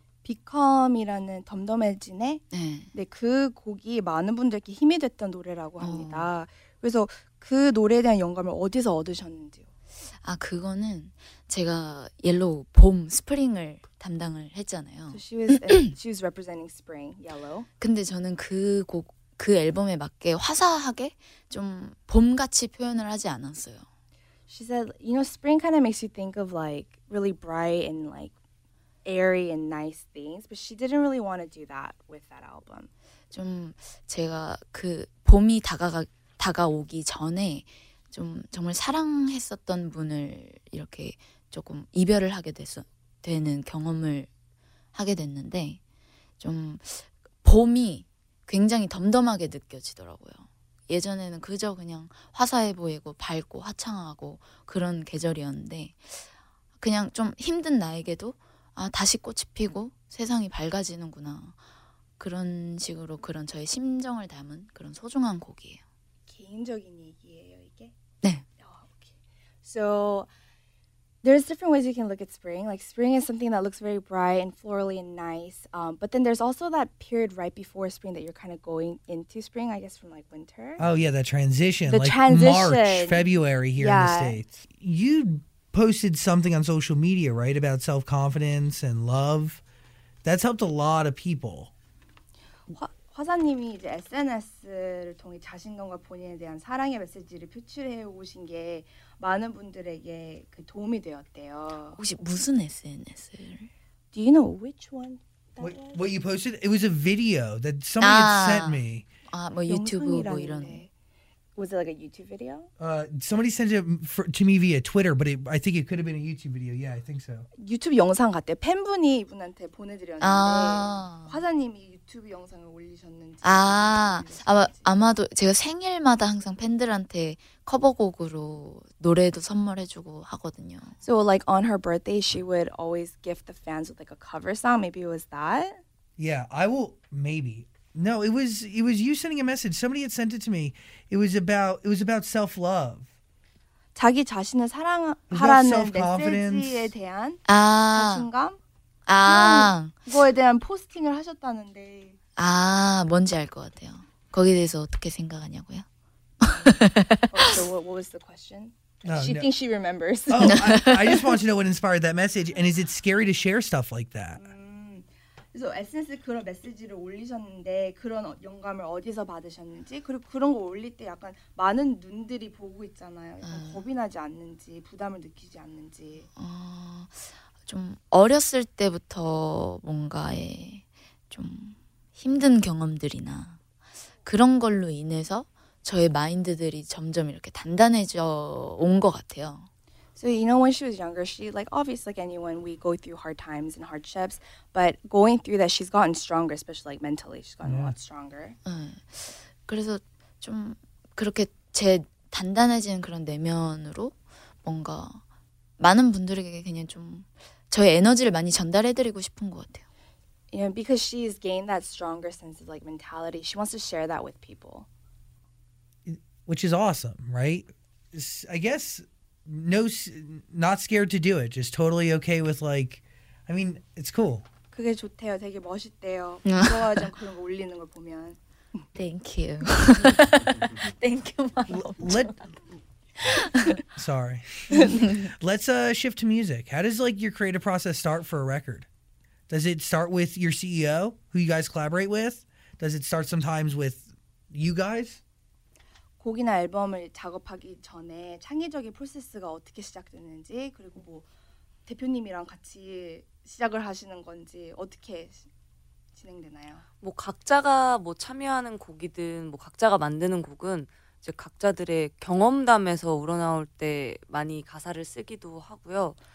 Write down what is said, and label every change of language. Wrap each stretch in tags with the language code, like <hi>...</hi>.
<ko>Be Calm이라는 덤덤해진의 네, 그 곡이 많은 분들께 힘이 됐던 노래라고 합니다. 그래서 그 노래에 대한 영감을 어디서 얻으셨는지요? 아, 그거는 제가 옐로우, 봄, 스프링을 담당을 했잖아요.</ko> <en>So she was representing spring, yellow.</en> <ko>근데 저는 그 곡, 그 앨범에 맞게 화사하게 좀 봄같이 표현을 하지 않았어요.</ko> <en>She said, you know, spring kind of makes you think of like really bright and like airy and nice things, but she didn't really want to do that with that album.</en> <ko>좀 제가 그 봄이 다가오기 전에 좀 정말 사랑했었던 분을 이렇게 조금 이별을 하게 되는 경험을 하게 됐는데 좀 봄이 굉장히 덤덤하게 느껴지더라고요. 예전에는 그저 그냥 화사해 보이고 밝고 화창하고 그런 계절이었는데 그냥 좀 힘든 나에게도 아 다시 꽃이 피고 세상이 밝아지는구나 그런 식으로 그런 저의 심정을 담은 그런 소중한 곡이에요. 개인적인 얘기예요 이게? 네.</ko> <en>Oh, okay. So there's different ways you can look at spring. Like spring is something that looks very bright and florally and nice. But then there's also that period right before spring that you're kind of going into spring, I guess, from like winter. Oh yeah, that transition. The like transition. March, February here yeah. in the States. You posted something on social media, right, about self-confidence and love. That's helped a lot of people.</en> <ko>화사님이 이제 SNS를 통해 자신감과 본인에 대한 사랑의 메시지를 표출해 오신 게 많은 분들에게 그 도움이 되었대요. 혹시 무슨 SNS를?</ko> <en>Do you know which one? What you posted? It was a video that somebody had sent me.</en> <ko>아, 뭐 유튜브 뭐 이런.</ko> <en>Was it like a YouTube video? Somebody sent it to me via Twitter, but I think it could have been a YouTube video. Yeah, I think so.</en> <ko>유튜브 영상 같아요. 팬분이 이분한테 보내드렸는데 화사님이 유튜브 영상을 올리셨는지 아마도 제가 생일마다 항상 팬들한테 커버곡으로 노래도 선물해주고 하거든요.</ko> <en>So like on her birthday, she would always gift the fans with like a cover song. Maybe it was that? Yeah, I will, maybe. No, it was you sending a message. Somebody had sent it to me. It was about self love.</en> <ko>자기 자신을 사랑하라는 메시지에 대한 자신감. 그거에 대한 포스팅을 하셨다는데. 뭔지 알 것 같아요. 거기에 대해서 어떻게 생각하냐고요?</ko> <en>what was the question? She thinks she remembers. Oh, I just want to know what inspired that message. And is it scary to share stuff like that?</en> <ko>그래서 SNS에 그런 메시지를 올리셨는데 그런 영감을 어디서 받으셨는지 그리고 그런 거 올릴 때 약간 많은 눈들이 보고 있잖아요. 겁이 나지 않는지 부담을 느끼지 않는지. 좀 어렸을 때부터 뭔가의 좀 힘든 경험들이나 그런 걸로 인해서 저의 마인드들이 점점 이렇게 단단해져 온 것 같아요.</ko> <en>So you know, when she was younger, she like obviously like anyone, we go through hard times and hardships. But going through that, she's gotten stronger, especially like mentally, she's gotten a lot stronger.</en> <ko>그래서 좀 그렇게 제 단단해진 그런 내면으로 뭔가 많은 분들에게 그냥 좀 저의 에너지를 많이 전달해드리고 싶은 것 같아요.</ko> <en>You know, because she's gained that stronger sense of like mentality, she wants to share that with people. Which is awesome, right? I guess no, not scared to do it. Just totally okay with like, I mean, it's cool.</en> <ko>그게 좋대요. 되게 멋있대요. 부러워하지 않고 그런 거 올리는 걸 보면.</ko> <en>Thank you. Thank you, mom. Sorry. Let's shift to music. How does like your creative process start for a record? Does it start with your CEO, who you guys collaborate with? Does it start sometimes with you guys?</en> <ko>곡이나 앨범을 작업하기 전에 창의적인 프로세스가 어떻게 시작되는지 그리고 뭐 대표님이랑 같이 시작을 하시는 건지 어떻게 진행되나요? 뭐 각자가 뭐 참여하는 곡이든 뭐 각자가 만드는 곡은 이제 각자들의 경험담에서 우러나올 때 많이 가사를 쓰기도 하고요.</ko>